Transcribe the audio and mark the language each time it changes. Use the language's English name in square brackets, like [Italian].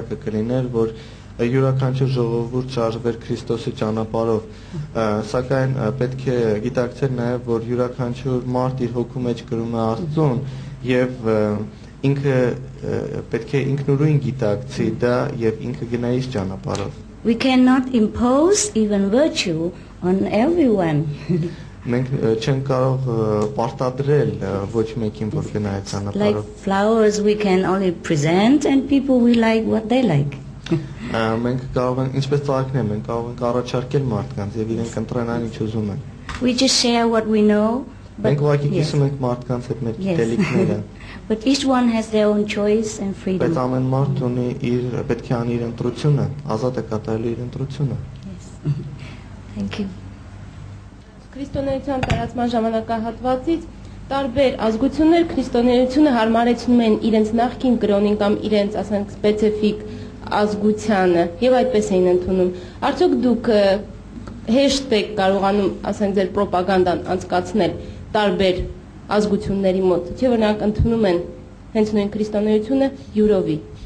[Armenian] Յուրաքանչյուր ժողովուրդ ճարվեր Քրիստոսի ճանապարհով, սակայն պետք է գիտակցել նաև, որ յուրաքանչյուր մարդ իր հոգու մեջ գրում է Աստծուն, և ինքը պետք է ինքնուրույն գիտակցի դա, և ինքը գնա իր ճանապարհով. [English] We cannot impose even virtue on everyone. [Armenian] Մենք չենք կարող պարտադրել ոչ մեկին, որ գնա իր ճանապարհով. [English] Like flowers we can only present and people will like what they like. [Armenian] Մենք կարող ենք, ինչպես ծաղիկն է, մենք կարող ենք առաջարկել մարդկանց և իրենք ընտրենան ինչ ուզում են։ [English] We just share what we know. [Armenian] Մենք ուղղակի կիսում ենք մարդկանց հետ մեր դիտելիքները։ [English] But each one has their own choice and freedom. [Armenian] Բայց ամեն մարդ ունի իր, պետք է անի իր ընտրությունը, ազատ է կատարելու իր ընտրությունը։ [English] Yes. Thank you. [Armenian] Քրիստոնեության տարածման ժամանակահատվածից տարբեր ազգություններ քրիստոնեությունը հարմարեցնում են իրենց նախկին կրոնին կամ իրենց, ասենք, սպեցիֆիկ ազգությանը, և այդպես էին ընդունում։ Արդյոք դուք հեշտ եք կարողանում, ասենք, ձեր պրոպագանդան անցկացնել տարբեր ազգությունների մոտ, չէ՞ որ նրանք ընդունում են հենց նույն քրիստոնեությունը յուրովի։